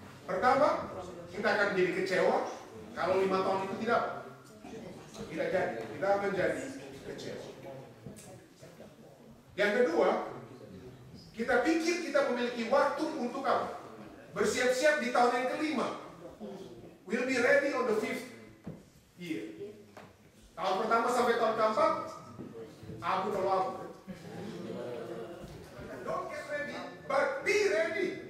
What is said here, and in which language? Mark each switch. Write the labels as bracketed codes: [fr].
[id] Pertama, kita akan menjadi kecewa kalau 5 tahun itu tidak. Tidak jadi. Kita menjadi kecewa. Yang kedua, Kita pikir kita memiliki waktu untuk apa? Bersiap-siap di tahun yang kelima. [en] We'll be ready on the fifth year. [id] Tahun pertama sampai tahun keempat, aku keluar. [en] Don't get ready, but be ready.